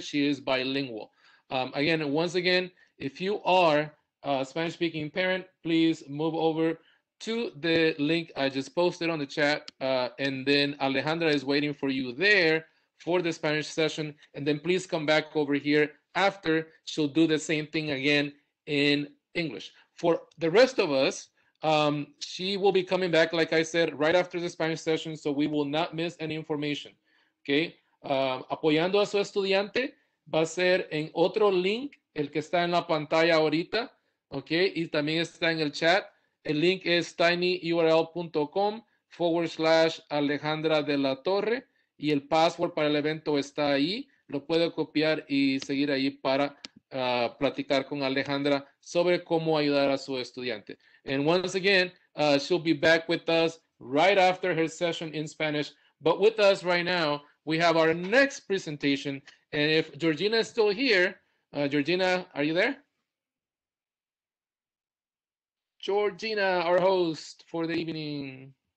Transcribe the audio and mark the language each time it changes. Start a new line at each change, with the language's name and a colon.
English: She is bilingual. Again, if you are a Spanish-speaking parent, please move over to the link I just posted on the chat, and then Alejandra is waiting for you there for the Spanish session, and then please come back over here after. She'll do the same thing again in English. For the rest of us, she will be coming back, like I said, right after the Spanish session, so we will not miss any information. Okay.
Spanish: Apoyando a su estudiante va a ser en otro link, el que está en la pantalla ahorita. Okay. Y también está en el chat. El link es tinyurl.com/Alejandra de la Torre. Y el password para el evento está ahí. Lo puedo copiar y seguir ahí para platicar con Alejandra sobre cómo ayudar a su estudiante.
English: And once again, she'll be back with us right after her session in Spanish. But with us right now, we have our next presentation. And if Georgina is still here, Georgina, are you there? Georgina, our host for the evening.